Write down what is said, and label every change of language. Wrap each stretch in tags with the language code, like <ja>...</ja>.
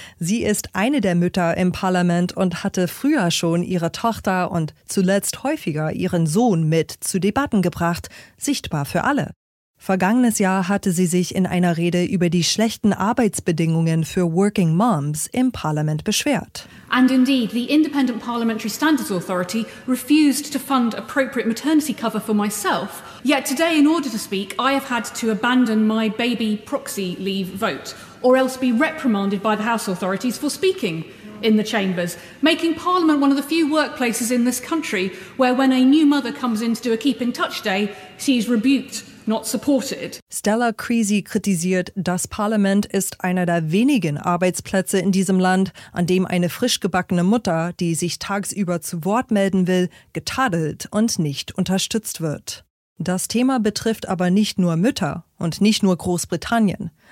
<de>Sie ist eine der Mütter im Parlament und hatte früher schon ihre Tochter und zuletzt häufiger ihren Sohn mit zu Debatten gebracht, sichtbar für alle. Vergangenes Jahr hatte sie sich in einer Rede über die schlechten Arbeitsbedingungen für Working Moms im Parlament beschwert.</de> <en>And indeed, the Independent Parliamentary Standards Authority refused to fund appropriate maternity cover for myself. Yet today, in order to speak, I have had to abandon my baby proxy leave vote or else be reprimanded by the House authorities for speaking in the chambers, making Parliament one of the few workplaces in this country where when a new mother comes in to do a keep in touch day, she is rebuked. Not supported.</en> <de>Stella Creasy kritisiert, das Parlament ist einer der wenigen Arbeitsplätze in diesem Land, an dem eine frischgebackene Mutter, die sich tagsüber zu Wort melden will, getadelt und nicht unterstützt wird. Das Thema betrifft aber nicht nur Mütter und nicht nur Großbritannien.</de>